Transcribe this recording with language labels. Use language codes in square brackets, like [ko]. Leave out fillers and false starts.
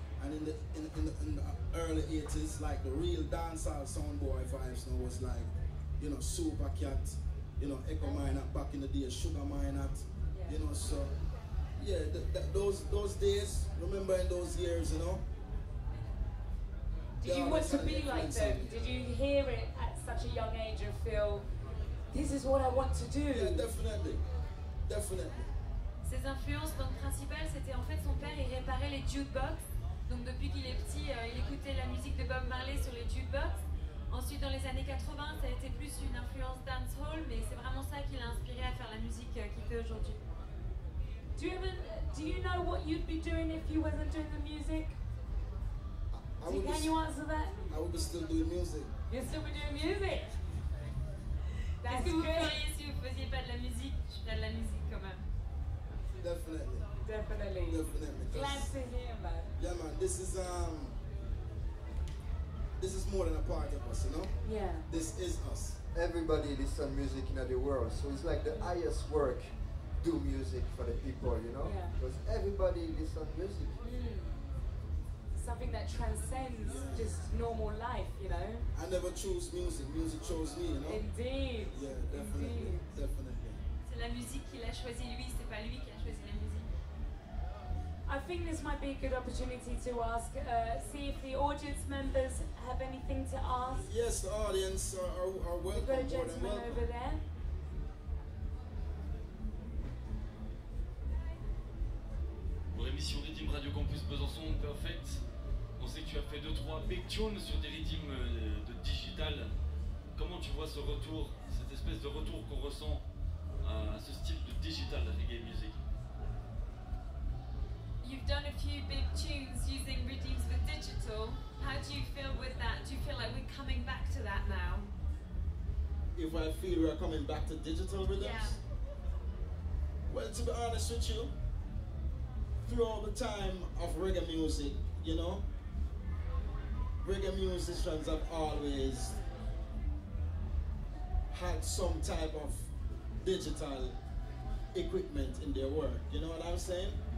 [en] And in the early 80s, like the real dancehall soundboy vibes, you know, was like, you know, Super Cat, you know, Echo Minot back in the day, Sugar Minot, you know, so yeah, those days, remember in those years, you know? Did you want to be like them? Did you hear it at such a young age and feel, this is what I want to do? Yeah, definitely. Definitely. [fr] Ses influences, donc principales, c'était en fait son père, il réparait les jukebox. Donc depuis qu'il est petit, il écoutait la musique de Bob Marley sur les jukebox. Ensuite, dans les années 80, ça a été plus une influence dancehall, mais c'est vraiment ça qui l'a inspiré à faire la musique qu'il fait aujourd'hui. [en] Do you know what you'd be doing if you wasn't doing the music? Can you answer that? I would be still doing music. You'd still be doing music? That's good. [fr] Qu'est-ce que vous feriez si vous ne faisiez pas de la musique? Je ferais de la musique quand même. [en] Definitely. Definitely. Definitely. Glad to hear, man. Yeah, man. This is more than a part of us, you know? Yeah. This is us. Everybody listens to music in the world, so it's like the highest work, do music for the people, you know? Yeah. Because everybody listens to music. Something that transcends just normal life, you know? I never chose music. Music chose me, you know? Indeed. Yeah, definitely. Indeed. Definitely. [fr] C'est la musique qu'il a choisi lui, c'est pas lui qui a choisi la musique. [en] I think this might be a good opportunity to ask, see if the audience members have anything to ask. Yes, the audience are welcome. We've got a gentleman over there. [fr] Pour l'émission Rhythm Radio Campus Besançon, Perfect, on sait que tu as fait 2-3 [en] big tunes [fr] sur des rythmes de digital. Comment tu vois ce retour, cette espèce de retour qu'on ressent à ce style de digital reggae music? [en] You've done a few big tunes using rhythms with digital. How do you feel with that? Do you feel like we're coming back to that now? If I feel we're coming back to digital rhythms? Yeah. Well, to be honest with you, through all the time of reggae music, you know, reggae musicians have always had some type of digital equipment in their work. You know what I'm saying?